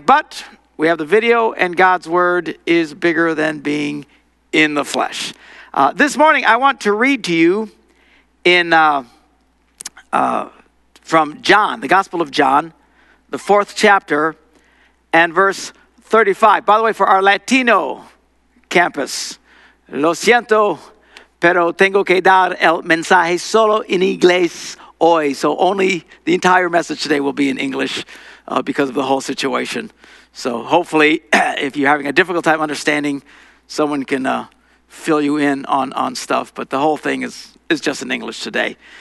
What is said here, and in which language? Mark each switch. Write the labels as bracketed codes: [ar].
[en] But we have the video, and God's word is bigger than being in the flesh. This morning, I want to read to you in from John, the Gospel of John, the fourth chapter, and verse 35. By the way, for our Latino campus, [es] lo siento, pero tengo que dar el mensaje solo en inglés hoy. [en] So only the entire message today will be in English because of the whole situation. So hopefully, if you're having a difficult time understanding, someone can fill you in on stuff, but the whole thing is just in English today.